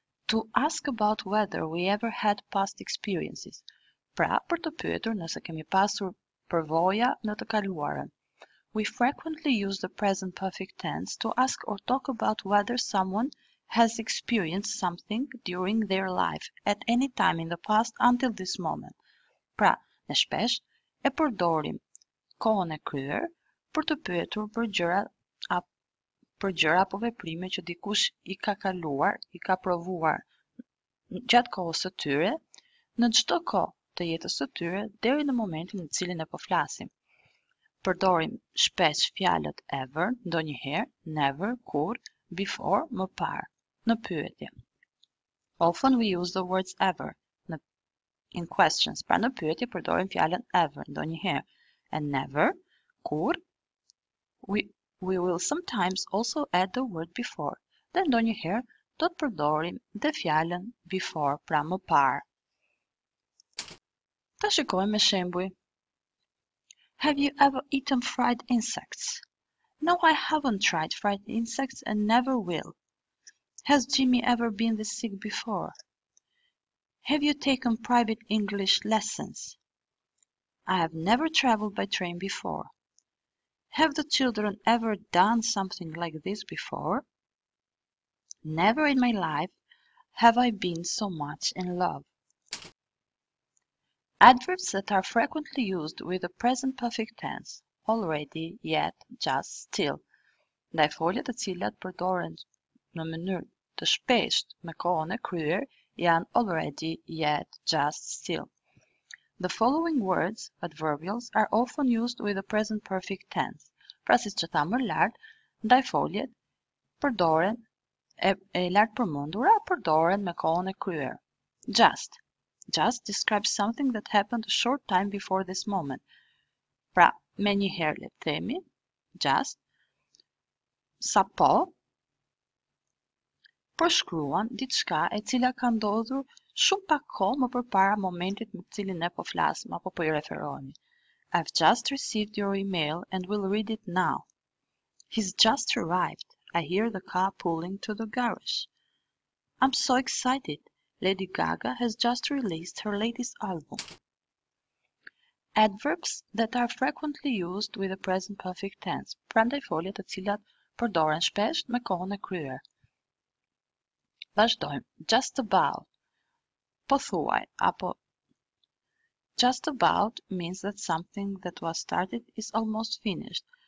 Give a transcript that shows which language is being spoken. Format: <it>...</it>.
<en>To ask about whether we ever had past experiences.</en> <sq>Pra, për të pyetur nëse kemi pasur përvoja në të kaluarën.</sq> <en>We frequently use the present perfect tense to ask or talk about whether someone has experienced something during their life at any time in the past until this moment.</en> <sq>Pra, ne shpesh e përdorim kohën e kryer për të pyetur për gjëra apo veprime që dikush I ka kaluar, I ka provuar gjatë kohës së tyre, në çdo kohë të jetës së tyre deri në momentin në cilin e po flasim. Përdorim shpesh fjalët ever, ndonjëherë, never, kur, before, më parë, në pyetje.</sq> <en>Often we use the words ever in questions.</en> <sq>Pra në pyetje përdorim fjalën ever, ndonjëherë, and never, kur.</sq> <en>We will sometimes also add the word before.</en> <sq>Dhe ndonjëherë do të përdorim dhe fjalën before, pra më parë. Ta shikojmë me shembuj.</sq> <en>Have you ever eaten fried insects? No, I haven't tried fried insects and never will. Has Jimmy ever been this sick before? Have you taken private English lessons? I have never traveled by train before. Have the children ever done something like this before? Never in my life have I been so much in love. Adverbs that are frequently used with the present perfect tense, already, yet, just, still.</en> <sq>Ndaj foljet të cilat përdoren në mënyrë të shpesht me kohën e kryer janë already, yet, just, still.</sq> <en>The following words, adverbials, are often used with the present perfect tense.</en> <sq>Pra siç që tha më lart, ndaj foljet përdoren e lart përmendura përdoren me kohën e kryer.</sq> <en>Just. Just describes something that happened a short time before this moment.</en> <sq>Pra, me një herë le të themi, just, sa po, përshkruan diçka e cila ka ndodhur shumë pak kohë më përpara momentit me cilin ne po flasim apo po I referohemi.</sq> <en>I've just received your email and will read it now. He's just arrived. I hear the car pulling to the garage. I'm so excited. Lady Gaga has just released her latest album. Adverbs that are frequently used with the present perfect tense.</en> <sq>Prandaj folje të cilat përdoren shpesh me kohën e kryer. Vazhdojmë. Just about. Pothuaj apo</sq> <en>just about means that something that was started is almost finished.</en>